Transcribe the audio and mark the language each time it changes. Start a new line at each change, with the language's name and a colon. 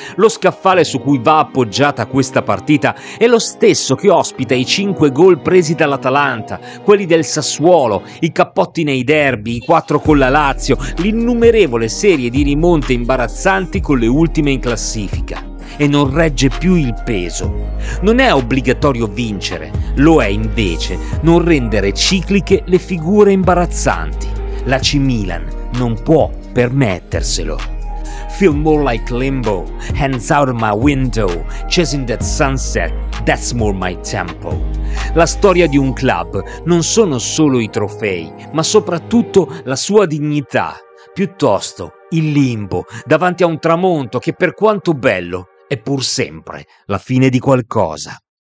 Italian: Lo scaffale su cui va appoggiata questa partita è lo stesso che ospita i 5 gol presi dall'Atalanta, quelli del Sassuolo, i cappotti nei derby, i 4 con la Lazio, l'innumerevole serie di rimonte imbarazzanti con le ultime in classifica. E non regge più il peso. Non è obbligatorio vincere, lo è invece non rendere cicliche le figure imbarazzanti. L'AC Milan non può permetterselo.
English: feel more like limbo. Hands out of my window, chasing that sunset, that's more my tempo.
Italian: La storia di un club non sono solo i trofei, ma soprattutto la sua dignità. Piuttosto, il limbo, davanti a un tramonto che per quanto bello, è pur sempre la fine di qualcosa.